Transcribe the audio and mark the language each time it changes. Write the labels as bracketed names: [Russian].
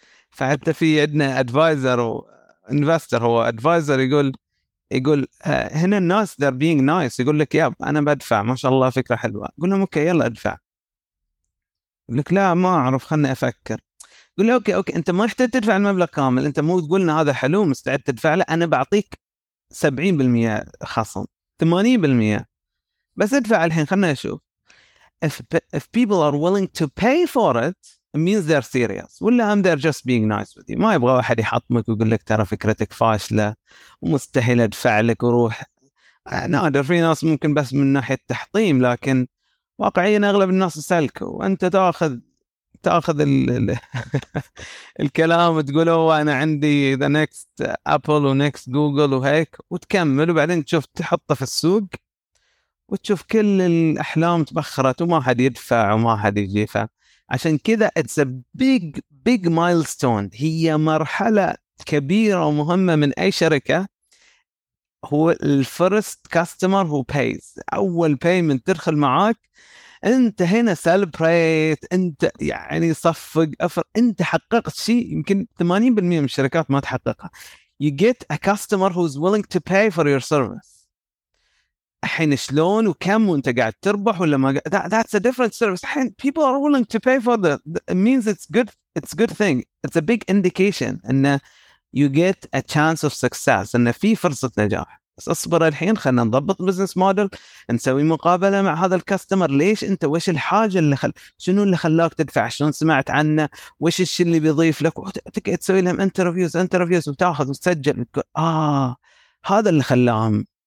[Arabic] فحتى في عندنا ادفايزر وانفستر، هو ادفايزر يقول هنا الناس [English] they're being nice، [Arabic] يقول لك ياب انا بدفع ما شاء الله فكره حلوه، قول لهم اوكي يلا ادفع، يقول لك لا ما اعرف خلني افكر، قول له اوكي انت ما احتاج تدفع المبلغ كامل، انت مو تقولنا هذا حلو مستعد تدفع، لا انا بعطيك 70% خصم 80%، بس ادفع الحين خلنا نشوف. [English] If people are willing to pay for it, it means they're serious. [Arabic] ولا هم [English] they're just being nice with you. [Arabic] ما يبغى واحد يحطمك ويقول لك ترى فكرتك فاشلة ومستحيل ادفع لك وروح. نادر في ناس ممكن بس من ناحية التحطيم، لكن واقعيا اغلب الناس سلكوا. وانت تاخذ الكلام وتقوله انا عندي the next Apple ونكست جوجل وهيك وتكمل، وبعدين تشوف تحطه في السوق وتشوف كل الاحلام تبخرت وما حد يدفع وما حد يجيفها. عشان كذا [English] it's a big milestone، [Arabic] هي مرحلة كبيرة ومهمة من اي شركة. هو الفيرست كاستمر هو pays، اول payment تدخل معاك انت هنا سيلبريت، انت يعني صفق افر، انت حققت شيء يمكن 80% من الشركات ما تحققها. [English] You get a customer who's willing to pay for your service. [Arabic] الحين شلون وكم وانت قاعد تربح ولا ما قاعد. [English] That's a different service. الحين people are willing to pay for that. It means it's good thing. It's a big indication ان you get a chance of success، [Arabic] ان في فرصة نجاح. بس اصبر الحين خلنا نضبط بزنس موديل، نسوي مقابله مع هذا الكاستمر. ليش انت، وش الحاجه اللي شنو اللي خلاك تدفع، شلون سمعت عنه، وش الشيء اللي بيضيف لك، تسوي لهم انترفيوز وتاخذ وتسجل وتقول هذا اللي خلاهم.